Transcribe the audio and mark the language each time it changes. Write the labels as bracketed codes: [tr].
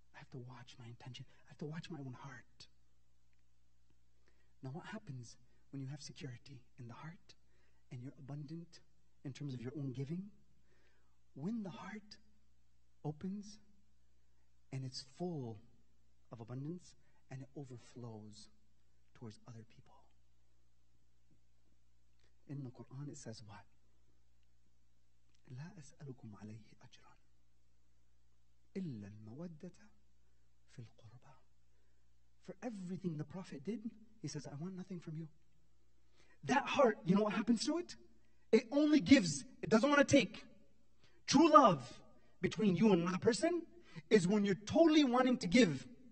[en] To watch my intention. I have to watch my own heart. Now what happens when you have security in the heart and you're abundant in terms of your own giving? When the heart opens and it's full of abundance and it overflows towards other people. In the Quran it says what? [ar] لَا أَسْأَلُكُمْ عَلَيْهِ أَجْرًا إِلَّا الْمَوَدَّةَ fil qurba. [en] For everything the Prophet did, he says, I want nothing from you. That heart, you know what happens to it? It only gives, it doesn't want to take. True love between you and that person is when you're totally wanting to give.